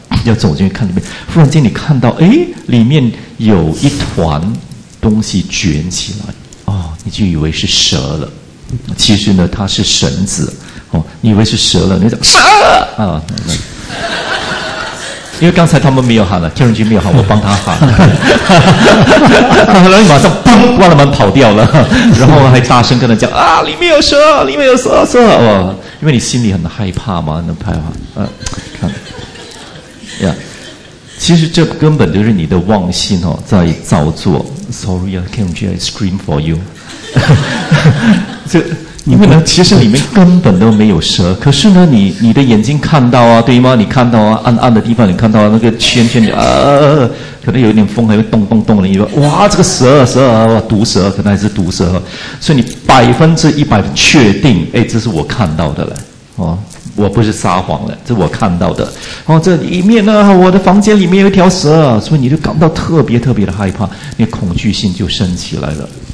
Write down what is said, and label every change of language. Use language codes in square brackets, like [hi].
[zh] 要走进去看里面，忽然间你看到，哎，里面有一团东西卷起来，哦，你就以为是蛇了，其实呢，它是绳子，哦，你以为是蛇了，你讲蛇啊，那个，因为刚才他们没有喊了，天人君没有喊，我帮他喊，然后你马上砰关了门跑掉了，然后还大声跟他讲啊，里面有蛇，里面有蛇，哦，因为你心里很害怕嘛，很害怕。看，呀，其实这根本就是你的妄心哦，在造作。 [en] Sorry, I can't just scream for you. [zh] 这。因为呢，其实里面根本都没有蛇，可是呢，你的眼睛看到啊，对吗？你看到啊，暗暗的地方你看到、啊、那个圈圈，可能有一点风还会动动动的，你说哇，这个蛇哇，毒蛇，可能还是毒蛇，所以你100%的确定，哎，这是我看到的了，哦，我不是撒谎了，这我看到的，哦，这里面呢，我的房间里面有一条蛇，所以你就感到特别特别的害怕，你恐惧心就升起来了，